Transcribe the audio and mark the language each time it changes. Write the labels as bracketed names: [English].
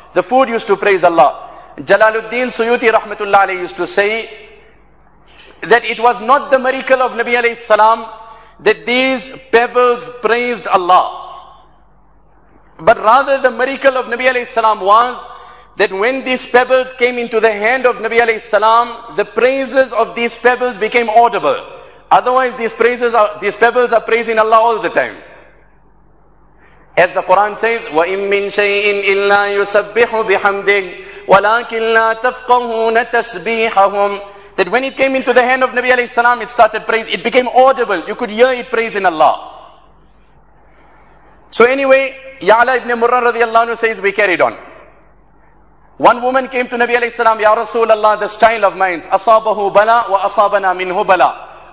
[English] The food used to praise Allah. Jalaluddin Suyuti rahmatullah alayhi used to say that it was not the miracle of Nabi alayhi salam that these pebbles praised Allah. But rather the miracle of Nabi alayhi salam was that when these pebbles came into the hand of Nabi alayhi salam, the praises of these pebbles became audible. Otherwise these pebbles are praising Allah all the time. As the Quran says, [Arabic] وَإِن مِّن شَيْءٍ إِلَّا يُسَبِّحُ بِحَمْدِهِ وَلَكِنْ لَا تَفْقَهُونَ تَسْبِيحَهُمْ. [English] That when it came into the hand of Nabi alayhi salam, it started praising, it became audible. You could hear it praising Allah. So anyway, Ya'la ibn Murrah radiallahu anhu says, we carried on. One woman came to Nabi alayhi salam, Ya Rasulallah, this child of mine, [Arabic] asabahu bala wa asabana minhu bala.